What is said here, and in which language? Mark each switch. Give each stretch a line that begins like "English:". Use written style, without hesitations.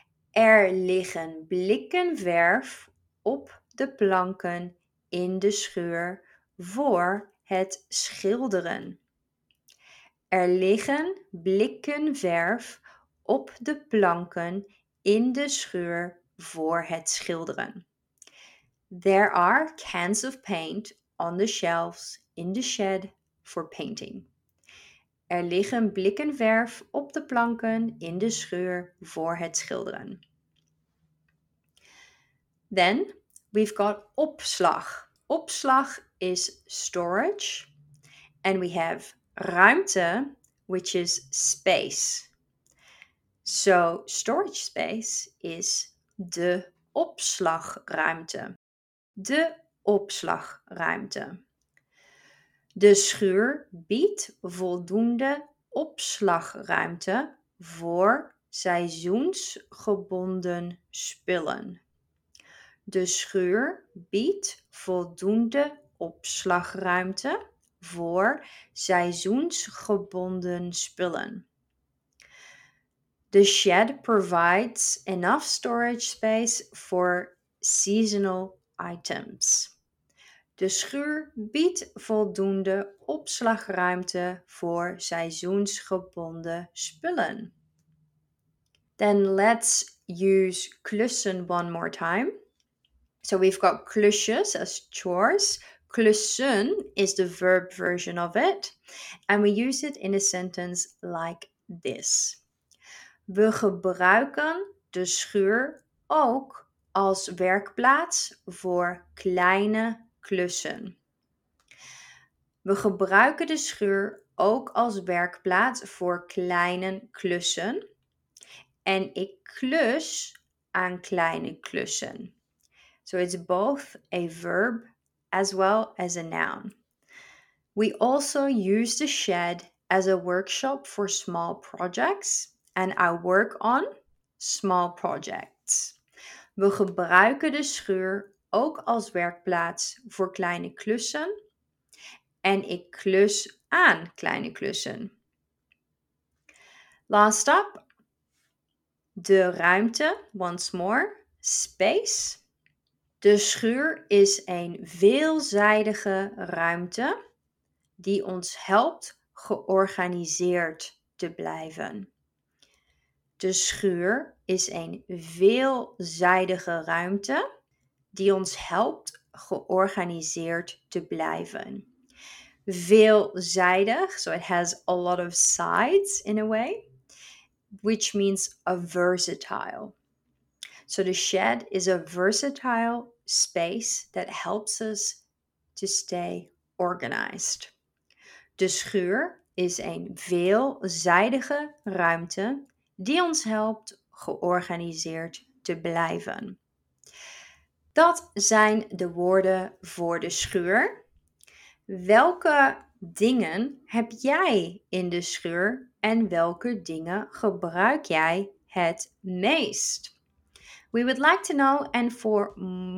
Dutch: Er liggen blikken verf op de planken in de schuur voor het schilderen. Er liggen blikken verf op de planken in de schuur voor het schilderen.
English: There are cans of paint on the shelves in the shed for painting.
Dutch: Er liggen blikken verf op de planken in de schuur voor het schilderen.
English: Then we've got opslag. Opslag is storage. And we have ruimte, which is space. So storage space is de opslagruimte.
Dutch: De opslagruimte. De schuur biedt voldoende opslagruimte voor seizoensgebonden spullen. De schuur biedt voldoende opslagruimte voor seizoensgebonden spullen.
English: The shed provides enough storage space for seasonal items.
Dutch: De schuur biedt voldoende opslagruimte voor seizoensgebonden spullen.
English: Then let's use klussen one more time. So we've got klusjes as chores. Klussen is the verb version of it. And we use it in a sentence like this.
Dutch: We gebruiken de schuur ook als werkplaats voor kleine klussen. We gebruiken de schuur ook als werkplaats voor kleine klussen. En ik klus aan kleine klussen.
English: So it's both a verb as well as a noun. We also use the shed as a workshop for small projects. And I work on small projects.
Dutch: We gebruiken de schuur ook als werkplaats voor kleine klussen. En ik klus aan kleine klussen.
English: Last up,
Dutch: de ruimte,
English: once more, space.
Dutch: De schuur is een veelzijdige ruimte die ons helpt georganiseerd te blijven. De schuur is een veelzijdige ruimte die ons helpt georganiseerd te blijven.
English: Veelzijdig, so it has a lot of sides in a way, which means a versatile. So the shed is a versatile space that helps us to stay organized.
Dutch: De schuur is een veelzijdige ruimte die ons helpt georganiseerd te blijven. Dat zijn de woorden voor de schuur. Welke dingen heb jij in de schuur en welke dingen gebruik jij het meest?
English: We would like to know, and for more words and sentences, look at our website.